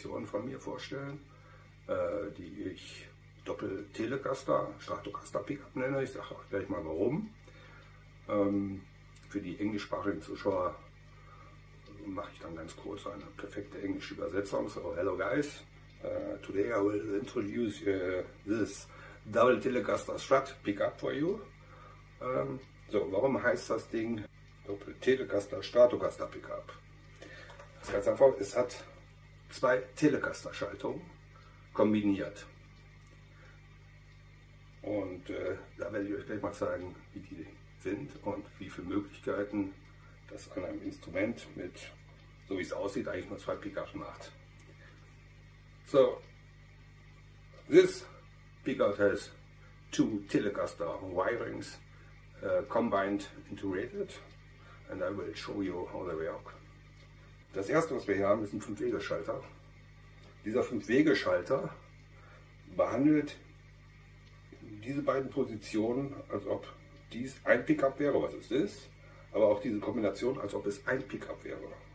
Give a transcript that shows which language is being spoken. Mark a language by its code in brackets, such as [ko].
[de] Von mir vorstellen, die ich Doppel-Telecaster, Stratocaster-Pickup nenne. Ich sage auch gleich mal warum. Für die englischsprachigen Zuschauer mache ich dann ganz kurz eine perfekte englische Übersetzung. [en] So, hello guys, today I will introduce this Double-Telecaster Strat-Pickup for you. [de] Warum heißt das Ding Doppel-Telecaster Stratocaster-Pickup? Das ist ganz einfach, es hat zwei Telecaster-Schaltungen kombiniert. Und da werde ich euch gleich mal zeigen, wie die sind und wie viele Möglichkeiten das an einem Instrument mit, so wie es aussieht, eigentlich nur zwei Pickups macht. [en] So, this pickup has two Telecaster wirings combined integrated and I will show you how they work. [de] Das erste, was wir hier haben, ist ein 5-Wege-Schalter. Dieser 5-Wege-Schalter behandelt diese beiden Positionen, als ob dies ein Pickup wäre, was es ist, aber auch diese Kombination, als ob es ein Pickup wäre.